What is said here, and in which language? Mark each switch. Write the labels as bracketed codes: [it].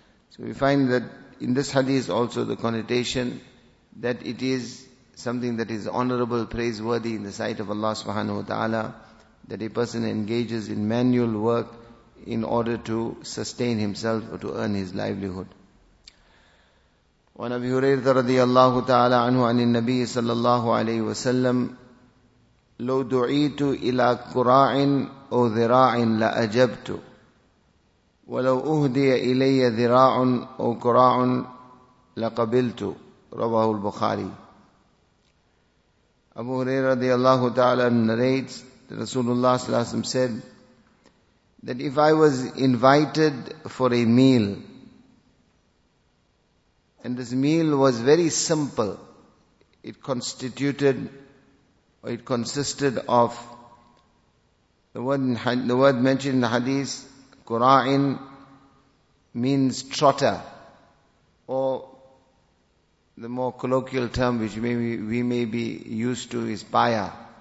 [en] So we find that in this hadith also the connotation that it is something that is honorable, praiseworthy in the sight of Allah subhanahu wa ta'ala, that a person engages in manual work in order to sustain himself or to earn his livelihood. [ar] Wa Abi Hurairah radiyallahu ta'ala anhu anin nabi sallallahu alayhi wa sallam, لو دعيت إلى كراع أو ذراع لأجبت ولو أهدي إلي ذراع أو كراع لقبلت. رواه البخاري. [en] Abu Hurairah radiallahu ta'ala narrates that Rasulullah sallallahu alayhi wa sallam said that if I was invited for a meal and this meal was very simple, it constituted or it consisted of the word mentioned in the hadith, Qura'in, means trotter, or the more colloquial term which we may be used to is paya.